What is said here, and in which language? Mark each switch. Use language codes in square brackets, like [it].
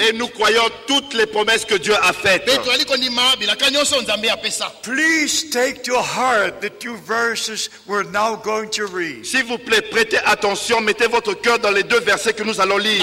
[fr] Et nous croyons toutes les promesses que Dieu a faites. [en] Please take to heart the 2 verses we're now going to read. [fr] S'il vous plaît, prêtez attention, mettez votre cœur dans les 2 versets que nous allons lire.